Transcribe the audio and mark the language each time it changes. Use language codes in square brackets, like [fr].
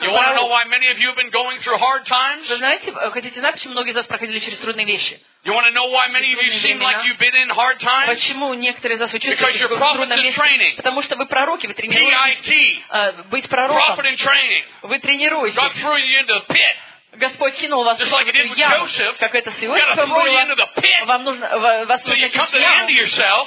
[en] пророк. You want to know why many of you have been going through hard times? [ru] Вы знаете, хотите знать, почему многие из вас проходили через трудные вещи? [en] You want to know why many of you seem like you've been in hard times? [ru] Почему некоторые из вас чувствуете, что вы в трудном месте? Потому что вы пророки, вы тренируетесь. Быть пророком. Вы тренируетесь. [en] God threw you into the pit. [ru] Господь кинул вас в яму, как это с Иосифом было. Вам нужно, вас нужно кинуть в яму,